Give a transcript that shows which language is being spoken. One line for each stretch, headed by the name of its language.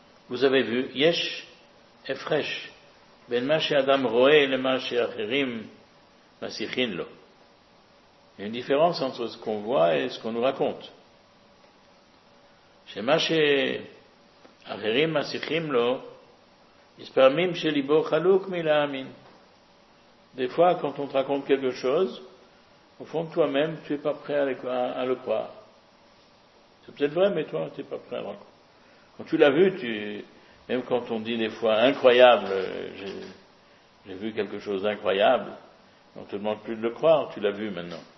French: Vous avez vu,
Hebrew: Yesh efresh, ben ma she'adam roe le ma she'acherim masichin lo.
French: Il y a une différence entre ce qu'on voit et ce qu'on nous raconte. Chez Maché,
Hebrew: אחרים מסיחים לו, מספרמים שליבו חלוק מלהאמין.
French: Des fois, quand on te raconte quelque chose, au fond, toi-même, tu n'es pas prêt à le croire. C'est peut-être vrai, mais toi, tu n'es pas prêt à le croire. Quand tu l'as vu, même quand on dit des fois incroyable, j'ai vu quelque chose d'incroyable, on ne te demande plus de le croire, tu l'as vu maintenant.